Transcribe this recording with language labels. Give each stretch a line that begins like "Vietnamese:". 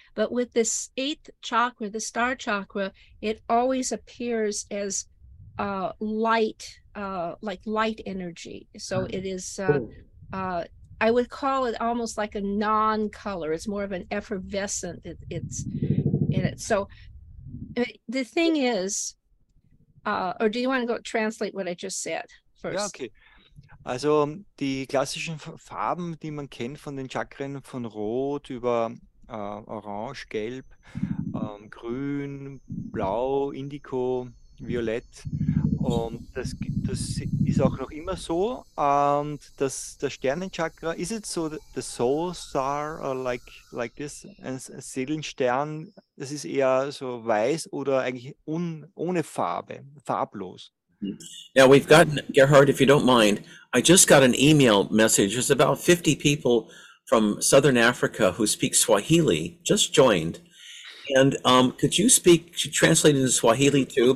English: But with this eighth chakra, the star chakra, it always appears as light, like light energy. So it is, I would call it almost like a non-color. It's more of an effervescent. It's in it. So the thing is, or do you want to go translate what I just said first? Yeah, okay.
German: Also die klassischen Farben, die man kennt von den Chakren, von Rot über Orange, Gelb, Grün, Blau, Indigo, Violett. Und das ist auch noch immer so. Und das Sternenchakra,
English: is it so the soul star or like this?
German: Ein Seelenstern, das ist eher so weiß oder eigentlich ohne Farbe, farblos.
English: Yeah, we've got, Gerhard, if you don't mind, I just got an email message. There's about 50 people from Southern Africa who speak Swahili, just joined. And could you speak, translate into Swahili too?